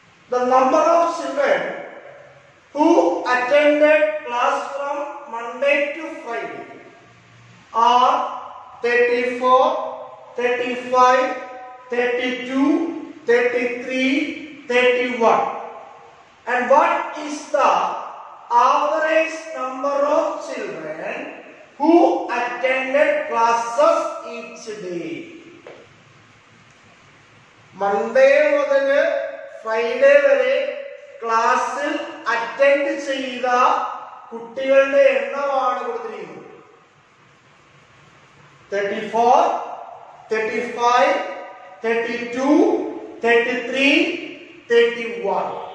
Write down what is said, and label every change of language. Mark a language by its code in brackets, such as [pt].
[en] The number of children who attended class from Monday to Friday are 34, 35, 32, 33, 31. And what is the average number of children who attended classes each day? [ml] Monday മുതൽ Friday വരെ ക്ലാസ്സിൽ attend ചെയ്ത കുട്ടികളുടെ എണ്ണമാണ് കൊടുത്തിരിക്കുന്നത്. [en] 34, 35, 32, 33, 31.